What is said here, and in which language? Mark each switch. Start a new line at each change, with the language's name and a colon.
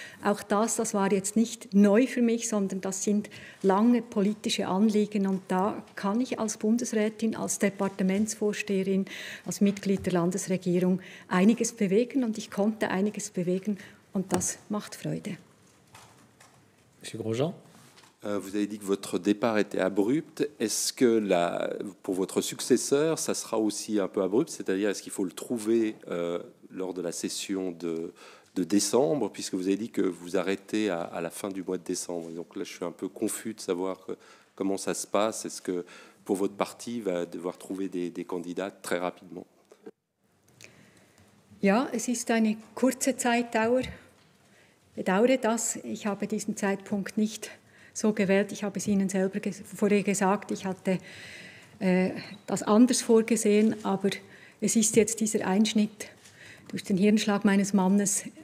German: Auch das war jetzt nicht neu für mich, sondern das sind lange politische Anliegen. Und da kann ich als Bundesrätin, als Departementsvorsteherin, als Mitglied der Landesregierung einiges bewegen. Und ich konnte einiges bewegen. Und das macht Freude.
French: Monsieur Grosjean. Vous avez dit que votre départ était abrupt. Est-ce que pour votre successeur, ça sera aussi un peu abrupt? C'est-à-dire, est-ce qu'il faut le trouver lors de la session de décembre, puisque vous avez dit que vous arrêtez à la fin du mois de décembre. Donc là, je suis un peu confus de savoir comment ça se passe. Est-ce que pour votre parti, va devoir trouver des candidats très rapidement?
German: Ja, es ist eine kurze Zeitdauer. Bedauere das. Ich habe diesen Zeitpunkt nicht so gewählt. Ich habe es Ihnen selber vorher gesagt. Ich hatte das anders vorgesehen, aber es ist jetzt dieser Einschnitt durch den Hirnschlag meines Mannes.